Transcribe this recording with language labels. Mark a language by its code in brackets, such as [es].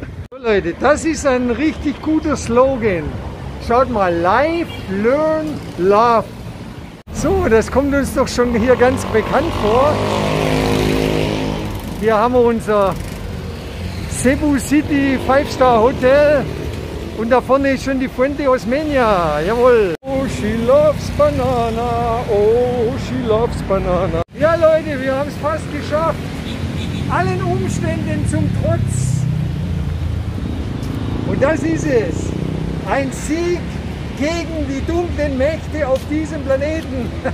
[de] So, Leute, das ist ein richtig guter Slogan. Schaut mal, Life, Learn, Love. So, das kommt uns doch schon hier ganz bekannt vor. Hier haben wir unser Cebu City 5-Star Hotel. Und da vorne ist schon die Fuente Osmeña, jawohl. [en] Oh, she loves banana, oh, she loves banana. [de] Ja, Leute, wir haben es fast geschafft. Allen Umständen zum Trotz. Und das ist es. Ein Sieg gegen die dunklen Mächte auf diesem Planeten.